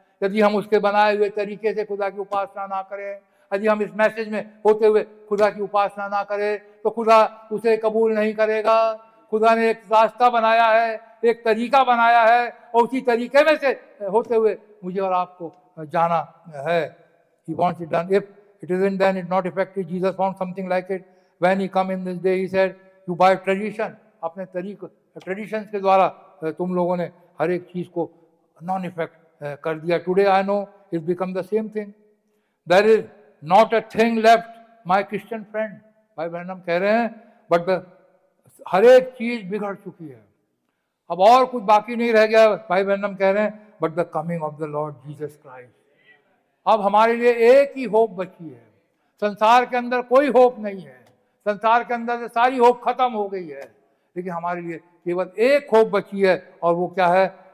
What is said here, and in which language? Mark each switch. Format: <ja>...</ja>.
<hi>यदि हम उसके बनाए हुए तरीके से खुदा की उपासना ना करें, यदि हम इस मैसेज में होते हुए खुदा की उपासना ना करें, तो खुदा उसे कबूल नहीं करेगा. खुदा ने एक रास्ता बनाया है, एक तरीका बनाया है, और उसी तरीके में से होते हुए मुझे और आपको जाना है.</hi> <en>He wants it done. If it isn't done, it's not effective. Jesus found something like it when he come in this day. He said, "You by tradition,</en> <hi>अपने तरीके, traditions के द्वारा तुम लोगों ने हर एक चीज को non-effect कर दिया.</hi> <en>Today I know it's become the same thing. There is not a thing left, my Christian friend."</en> <hi>भाई बहन हम कह रहे हैं, but the हर एक चीज बिगड़ चुकी है, अब और कुछ बाकी नहीं रह गया. भाई बहन हम कह रहे हैं</hi> <en>but the coming of the Lord Jesus Christ,</en> <hi>अब हमारे लिए एक ही होप बची है. संसार के अंदर कोई होप नहीं है, संसार के अंदर सारी होप खत्म हो गई है, लेकिन हमारे लिए केवल एक होप बची है, और वो क्या है?</hi>